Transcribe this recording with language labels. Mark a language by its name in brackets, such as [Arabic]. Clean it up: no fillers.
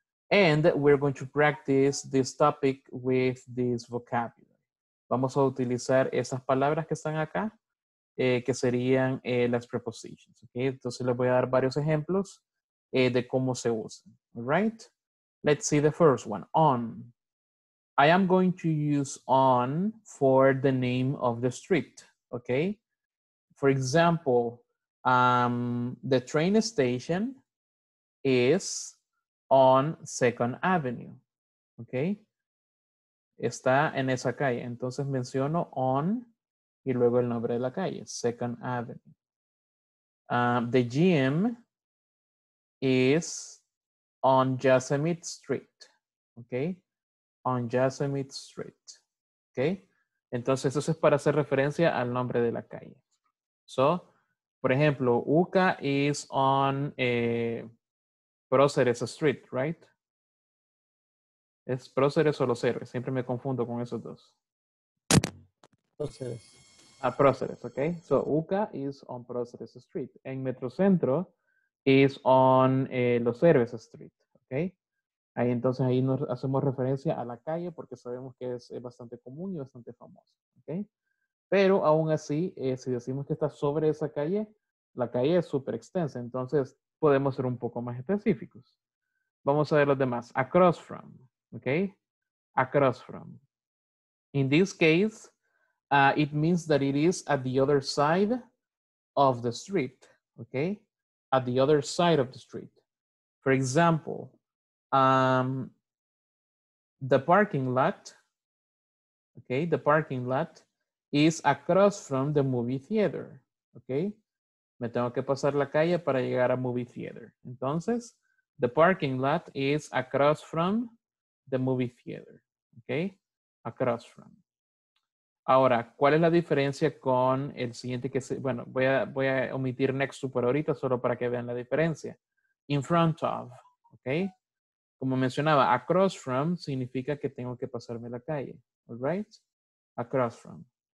[English] And we're going to practice this topic with this vocabulary. [Spanish] Vamos a utilizar esas palabras que están acá, que serían las prepositions, okay? Entonces les voy a dar varios ejemplos de cómo se usan, [English] all right? Let's see the first one, on. I am going to use on for the name of the street, okay? For example, the train station is on Second Avenue, okay? [Spanish] Está en esa calle. Entonces menciono on y luego el nombre de la calle, Second Avenue. [English] The gym is on Yosemite Street, okay? On Yosemite Street, okay? [Spanish] Entonces, eso es para hacer referencia al nombre de la calle. [English] So, [Spanish] por ejemplo, [English] UCA is on Próceres Street, right? [Spanish] ¿Es Próceres o Los Héroes? Siempre me confundo con esos dos. Próceres. [English] Próceres, okay? So, UCA is on Próceres Street. [Spanish] En [English] Metrocentro is on Los Héroes Street, okay? [Spanish] Ahí entonces ahí nos hacemos referencia a la calle porque sabemos que es bastante común y bastante famoso, ¿okay? Pero aún así, si decimos que está sobre esa calle, la calle es súper extensa, entonces podemos ser un poco más específicos. Vamos a ver los demás. [English] Across from, ¿okay? Across from. In this case, it means that it is at the other side of the street, ¿okay? At the other side of the street. For example, the parking lot, okay, the parking lot is across from the movie theater, okay? [Spanish] Me tengo que pasar la calle para llegar a movie theater. Entonces, [English] the parking lot is across from the movie theater, okay? A across from. [Spanish] Ahora, ¿cuál es la diferencia con el siguiente que se... Bueno, voy a omitir next to por ahorita solo para que vean la diferencia. [English] In front of, [Spanish] ¿ok? Como mencionaba, across from significa que tengo que pasarme la calle, [English] all right? Across from.